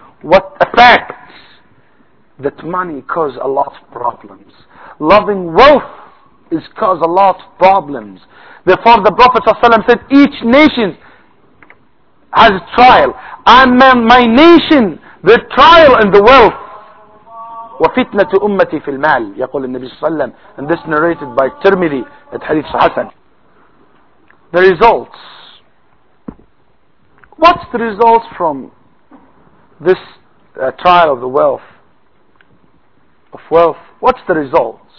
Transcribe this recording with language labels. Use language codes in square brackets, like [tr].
[en] What affects that money causes a lot of problems. Loving wealth is cause a lot of problems. Therefore, the Prophet ﷺ said, each nation has a trial. And my nation, the trial and the wealth. [ar] وفتنة أمتي في المال يقول النبي صلى الله عليه وسلم. [en] And this narrated by Tirmidhi at Hadith Hassan. The results. What's the results from this trial of the wealth? Of wealth. What's the results?